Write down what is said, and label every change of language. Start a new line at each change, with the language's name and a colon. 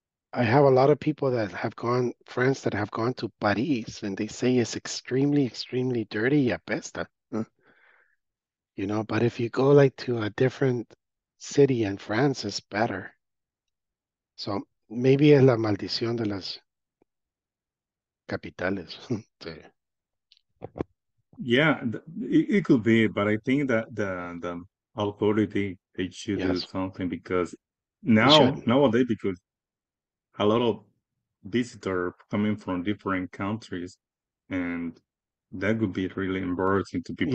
English: I have a lot of people that have gone, friends that have gone to Paris, and they say it's extremely, extremely dirty.
Spanish: Y apesta.
English: You know, but if you go like to a different city in France, it's better. So maybe
Spanish: es la maldición de las capitales.
English: Yeah, it could be, but I think that the authority, they should do something, because nowadays, because a lot of visitors coming from different countries, and that could be really embarrassing to people.